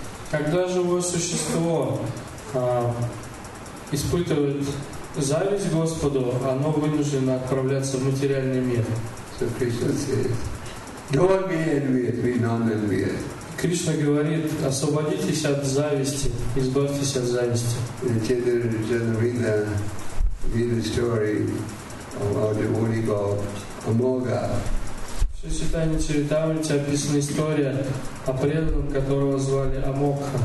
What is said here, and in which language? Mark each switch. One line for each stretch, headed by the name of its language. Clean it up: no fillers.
Russian: Когда живое существо испытывает зависть Господу, оно вынуждено отправляться в материальный мир.
English: So Krishna says, don't be envious, be non-envious.
Russian: Кришна говорит, освободитесь от зависти, избавьтесь от зависти. В Читании Чаритамрите описана история о преданном, которого звали Амокха.